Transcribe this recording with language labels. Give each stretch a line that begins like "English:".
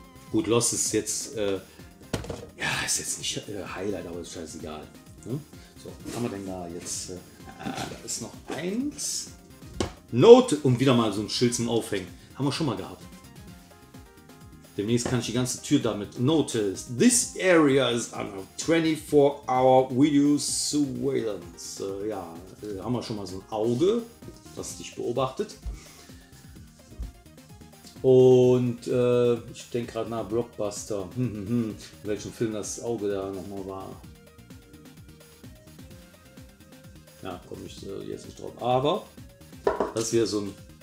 German: Gut, Lost ist jetzt, ist jetzt nicht Highlight, aber ist scheißegal. Ne? So, was haben wir denn da jetzt, da ist noch eins. Note, und wieder mal so ein Schild zum Aufhängen, haben wir schon mal gehabt. Demnächst kann ich die ganze Tür damit.
English: Notice, this area is under 24-hour video surveillance.
German: Haben wir schon mal so ein Auge, was dich beobachtet. Und ich denke gerade nach Blockbuster. In welchem Film das Auge da nochmal war. Ja, komme ich jetzt nicht drauf. Aber das ist wieder so ein.